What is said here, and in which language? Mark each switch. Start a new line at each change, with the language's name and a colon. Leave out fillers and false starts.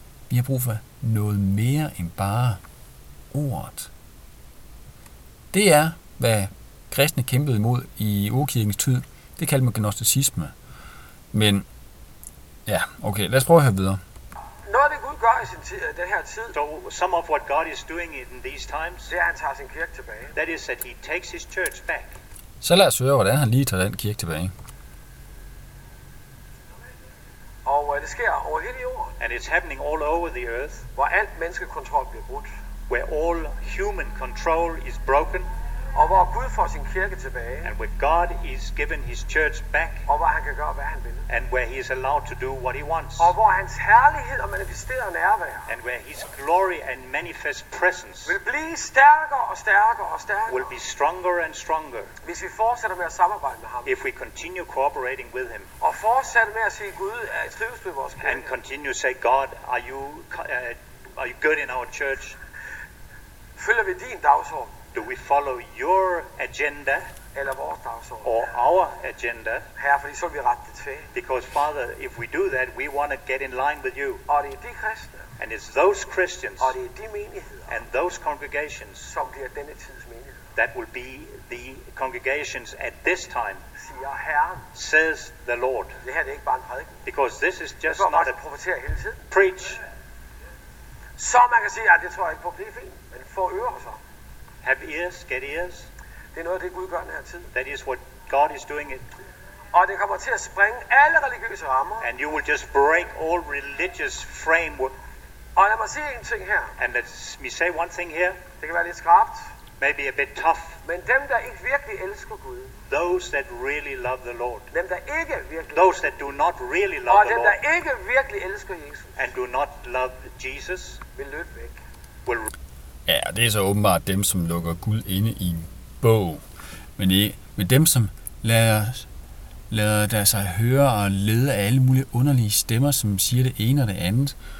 Danish: Vi har brug for noget mere end bare ordet. Det er, hvad kristne kæmpede imod i urkirkens tid. Det kaldte man gnosticisme. Men, ja, okay, lad os prøve at høre videre. Noget af det Gud gør i den her tid,
English: so some of what God is doing in these times,
Danish: det er, at han tager sin kirke tilbage.
English: That is that he takes his church back.
Danish: Så lad os høre, hvordan han lige tager den kirke tilbage. Og det sker over hele jorden.
English: And it's happening all over the earth.
Danish: Hvor alt menneskekontrol bliver brudt.
English: Where all human control is broken.
Danish: Og hvor Gud får sin kirke tilbage.
English: And where God is given his church back.
Danish: Og hvor han kan gøre, hvad han vil.
English: And where he is allowed to do what he wants.
Danish: Og hvor hans herlighed og manifesterer nærvær.
English: And where his glory and manifest presence.
Danish: Vil blive stærkere og stærkere og stærkere.
English: Will be stronger and stronger.
Danish: Hvis vi fortsætter med at samarbejde med ham.
English: If we continue cooperating with him.
Danish: Og fortsætter med at sige, Gud er i trivsel med vores kirke.
English: And continue to say, God, are you good in our church?
Danish: Følger vi din dagsorden?
English: Do we follow your agenda
Danish: eller vores dagsorden,
English: or our agenda?
Danish: Herre, fordi så vil vi rette det til.
English: Because Father, if we do that, we want to get in line with you.
Danish: Og det er de kristne.
English: And it's those Christians.
Danish: Og det er de menigheder.
English: And those congregations.
Danish: Som bliver denne tids menigheder.
English: That will be the congregations at this time.
Danish: Siger Herren.
English: Says the Lord.
Danish: Det her er ikke bare en prædiken.
English: Because this is just
Danish: bare
English: not
Danish: bare
English: a
Danish: profetere hele tiden.
English: Preach.
Danish: Så man kan sige, at det tror jeg ikke på, det er fint. Men få øre så.
English: Have ears, get ears.
Danish: Det er noget af det, Gud gør den her tid.
English: That is what God is doing it.
Danish: Og det kommer til at sprænge alle religiøse rammer.
English: And you will just break all religious framework.
Danish: Og lad mig sige en ting her.
English: And let me say one thing here.
Danish: Det kan være lidt skarpt.
English: Maybe a bit tough.
Danish: Men dem, der ikke virkelig elsker Gud.
English: Those that really love the Lord.
Danish: Dem, der ikke virkelig.
English: Those that do not really love the Lord.
Danish: Og dem, der ikke virkelig elsker Jesus.
English: And do not love Jesus.
Danish: Vil løbe væk.
English: Will.
Danish: Ja, det er så åbenbart dem, som lukker Gud inde i en bog. Men ikke med dem, som lader sig høre og lede af alle mulige underlige stemmer, som siger det ene og det andet.